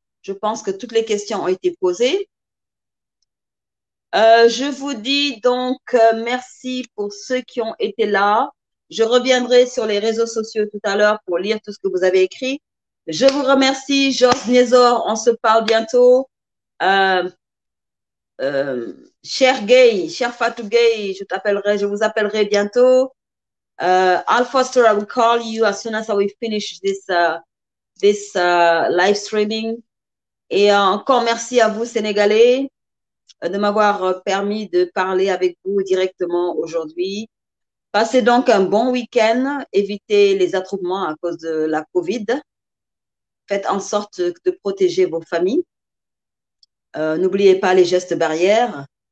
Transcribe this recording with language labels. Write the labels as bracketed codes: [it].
[fr] Je pense que toutes les questions ont été posées. Je vous dis donc merci pour ceux qui ont été là. Je reviendrai sur les réseaux sociaux tout à l'heure pour lire tout ce que vous avez écrit. Je vous remercie, Georges Niézor. On se parle bientôt. Cher Gay, cher Fatou Gay, je t'appellerai, je vous appellerai bientôt. [en] Al Foster, I will call you as soon as we finish this live streaming. [fr] Et encore merci à vous, Sénégalais, de m'avoir permis de parler avec vous directement aujourd'hui. Passez donc un bon week-end. Évitez les attroupements à cause de la COVID. Faites en sorte de protéger vos familles. N'oubliez pas les gestes barrières.